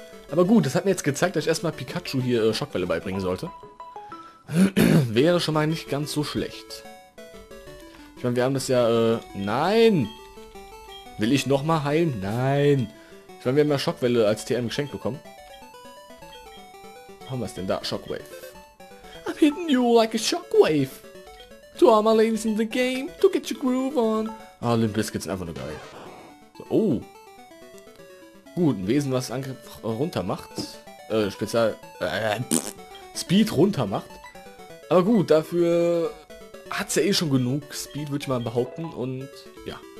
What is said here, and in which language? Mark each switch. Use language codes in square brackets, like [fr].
[de] Aber gut, das hat mir jetzt gezeigt, dass ich erstmal Pikachu hier Schockwelle beibringen sollte. Wäre schon mal nicht ganz so schlecht. Ich meine, wir haben das ja... nein! Will ich nochmal heilen? Nein! Ich meine, wir haben ja Schockwelle als TM geschenkt bekommen. Haben wir es denn da? Shockwave. [en] I'm hitting you like a shockwave. To all my ladies in the game, to get your groove on. [de] Ah, Limp Bizkit sind einfach nur geil. So, oh. Gut, ein Wesen, was Angriff runter macht. Spezial... Speed runter macht. Aber gut, dafür hat's ja eh schon genug Speed, würde ich mal behaupten. Und ja.